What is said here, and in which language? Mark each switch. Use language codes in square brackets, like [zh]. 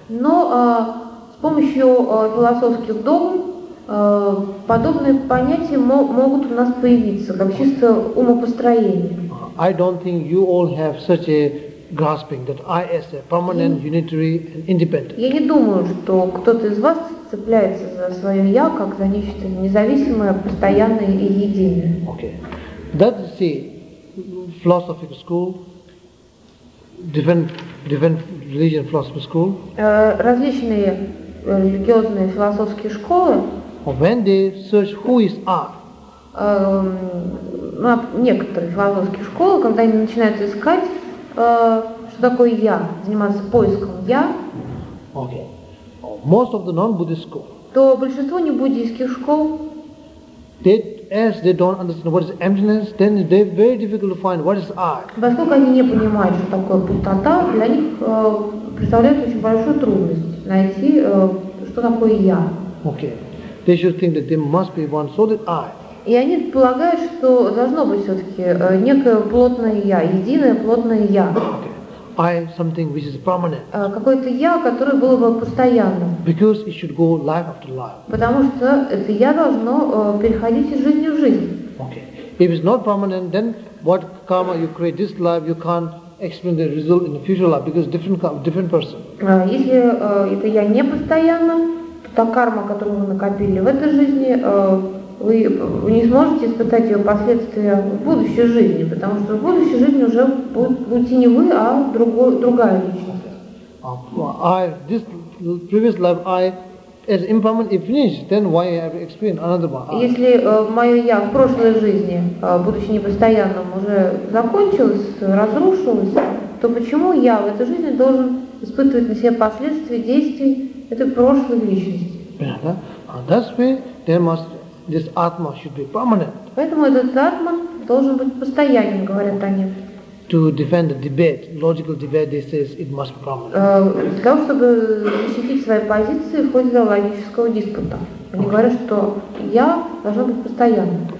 [ru] Но с помощью философских догм подобные понятия могут у нас появиться, как чисто умопостроение. [en] I don't think you all have such a grasping that I as a permanent, unitary, and independent. [ru] Я не думаю, что кто-то из вас цепляется за свое я как за нечто независимое, постоянное и единое. [en] Okay. That is the philosophical school. Different religion philosophy school. [ru] Различные религиозные философские школы. [en] When they search who is I? [ru] Некоторые философские школы, когда они начинают искать, что такое я, заниматься поиском я. [en] Okay. Most of the non-Buddhist school. [ru] То большинство не буддийских школ. [en] As they don't understand what is emptiness, then they very difficult to find what is I. [ru] Поскольку они не понимают, что такое пустота, для них представляет очень большую трудность найти, что такое я. [en] Okay. They should think that there must be one solid I. [ru] И они полагают, что должно быть все-таки некое плотное я, единое плотное я. [en] Okay. I something which is permanent. [ru] Какое-то я, которое было бы постоянным. [en] Because it should go life after life. [ru] Потому что это я должно переходить из жизни в жизнь. [en] Okay. If it's not permanent, then what karma you create this life, you can't explain the result in the future life because different person. [ru] Если это я не постоянно, то та карма, которую вы накопили в этой жизни, вы не сможете испытать ее последствия в будущей жизни, потому что в будущей жизни уже будете не вы, а другая личность. [en] Previous life I as impermanent if finished, then why I have experienced another one? [ru] Если мое я в прошлой жизни, будучи непостоянным, уже закончилось, разрушилось, то почему я в этой жизни должен испытывать на себе последствия действий этой прошлой личности? Понятно? [en] That's why there must this atma should be permanent. [ru] Поэтому этот атман должен быть постоянным, говорят они. [en] To defend the debate, logical debate, they say it must be permanent. [ru] Для того, чтобы защитить свои позиции в ходе логического диспута. Они говорят, что я должен быть постоянным.